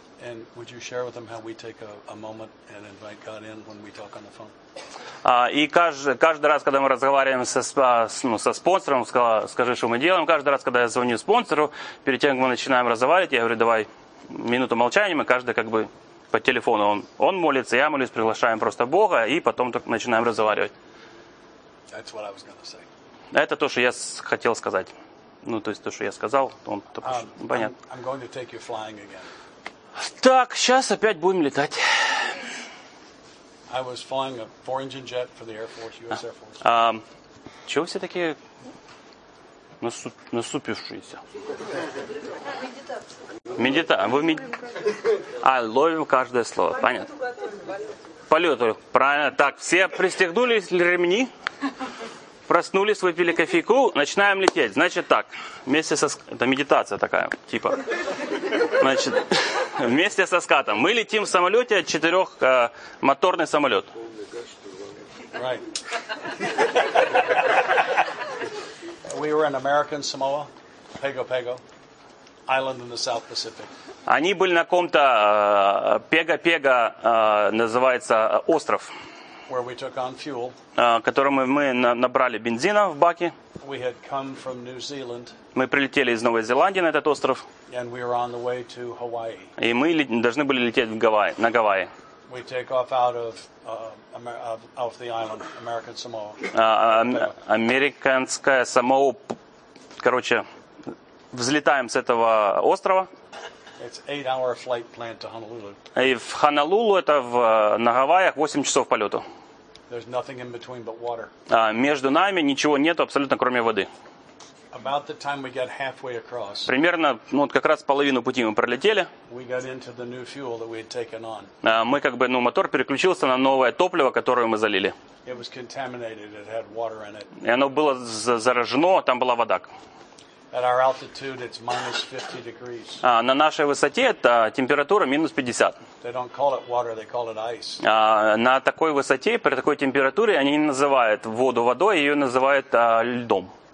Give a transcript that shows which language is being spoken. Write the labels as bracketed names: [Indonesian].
[English] And would you share with them how we take a moment and invite God in when we talk on the phone? [Russian] И каждый раз, когда мы разговариваем со спонсором, скажи, что мы делаем. Каждый раз, когда я звоню спонсору, перед тем, как мы начинаем разговаривать, я говорю, давай минуту молчания, мы каждый как бы по телефону. Он молится, я молюсь, приглашаем просто Бога, и потом только начинаем разговаривать. [English] That's what I was gonna say. [Russian] Это то, что я хотел сказать. Ну, то есть то, что я сказал, понятно. [English] I'm going to take you flying again. [Russian] Так, сейчас опять будем летать. [English] I was flying a four-engine jet for the Air Force, U.S. Air Force. [Russian] Чего все такие насупившиеся? Медитация. Медитация. А, ловим каждое слово. Понятно. Полет. Правильно. Так, все пристегнулись ремни, проснулись, выпили кофейку, начинаем лететь. Значит так, вместе со... Это медитация такая, типа. Значит... Вместе со скатом. Мы летим в самолете, четырехмоторный самолет. [English] Right. We were in American Samoa, Pago Pago, island in the South Pacific. [Russian] Они были на ком-то Пего Пего, называется остров. [English] Where we took on fuel. [Russian] Которым мы набрали бензина в баке. [English] We had come from New Zealand. [Russian] Мы прилетели из Новой Зеландии на этот остров. [English] And we were on the way to Hawaii. [Russian] И мы должны были лететь в Гавайи, на Гавайи. [English] We take off out of of the island, American Samoa. [Russian] Американская Самоа. Короче, взлетаем с этого острова. [English] It's 8-hour flight plan to Honolulu. [Russian] И в Хонолулу, это на Гавайях, 8 часов полету. [English] There's nothing in between but water. [Russian] Между нами ничего нет абсолютно, кроме воды. [English] About the time we got halfway across. [Russian] Примерно, как раз половину пути мы пролетели. [English] We got into the new fuel that we had taken on. [Russian] Мы как бы, мотор переключился на новое топливо, которое мы залили. [English] It was contaminated. It had water in it. [Russian] И оно было заражено, там была вода. [English] At our altitude, it's minus 50 degrees. [Russian] На нашей высоте это температура минус 50. [English] They don't call it water, they call it ice. [Russian] На такой высоте, при такой температуре, они не называют воду водой, ее называют льдом.